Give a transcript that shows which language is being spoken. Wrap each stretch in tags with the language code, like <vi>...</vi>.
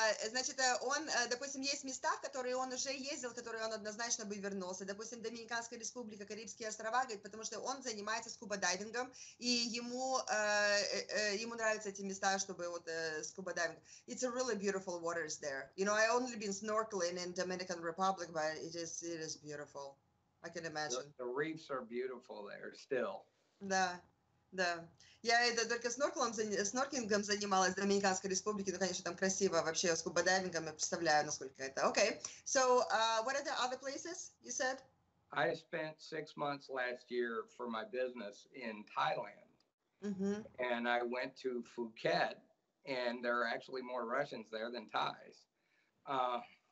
<ru>Значит, он, допустим, есть места, в которые он уже ездил, в которые он однозначно бы вернулся. Допустим, Доминиканская Республика, Карибские острова, говорит, потому что он занимается скубодайвингом, и ему, ему нравятся эти места, чтобы вот скубодайвинг.</ru> <en>It's a really beautiful waters there. You know, I only been snorkeling in Dominican Republic, but it is beautiful. I can imagine. The reefs are beautiful there still.</en> <ru>Да. Да, я это только снорклингом занималась в Доминиканской Республике, но, конечно, там красиво вообще с скубодайвингом, я представляю, насколько это.</ru> <en>Okay, so what are the other places you said? I spent 6 months last year for my business in Thailand. Mm-hmm. And I went to Phuket, and there are actually more Russians there than Thais.</en>